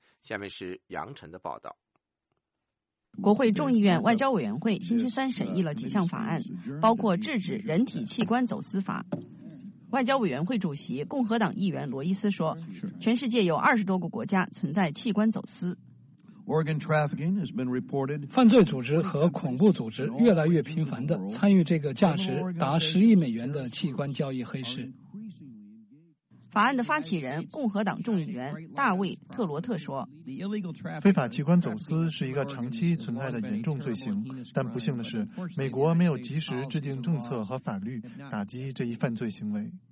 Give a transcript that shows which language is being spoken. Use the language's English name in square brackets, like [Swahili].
[Chinese] 下面是杨晨的报道。国会众议院外交委员会星期三审议了几项法案，包括制止人体器官走私法。外交委员会主席共和党议员罗伊斯说，全世界有20多个国家存在器官走私。 [English] Organ trafficking has been reported. [Chinese] 犯罪组织和恐怖组织越来越频繁地参与这个价值达10亿美元的器官交易黑市。法案的发起人共和党众议员大卫·特罗特说，非法器官走私是一个长期存在的严重罪行，但不幸的是美国没有及时制定政策和法律打击这一犯罪行为。